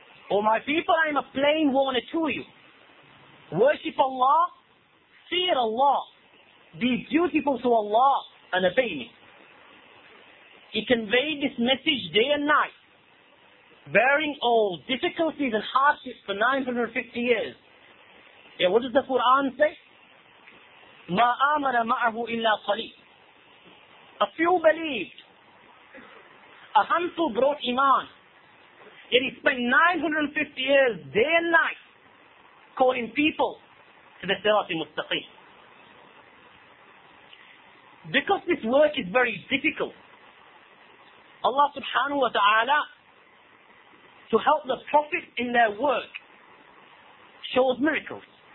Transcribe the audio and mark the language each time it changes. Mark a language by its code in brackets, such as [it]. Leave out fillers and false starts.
[en] O my people, I am a plain warner to you. Worship Allah, fear Allah, be dutiful to Allah, and obey me. He conveyed this message day and night, bearing all difficulties and hardships for 950 years. Yeah, what does the Quran say? [ar] مَا آمَنَ مَعَهُ إِلَّا قَلِيلٌ. [en] A few believed. A handful brought iman. Yet he spent 950 years, day and night, calling people to the Sirat al-Mustaqim. Because this work is very difficult, Allah subhanahu wa ta'ala, to help the prophets in their work, shows miracles.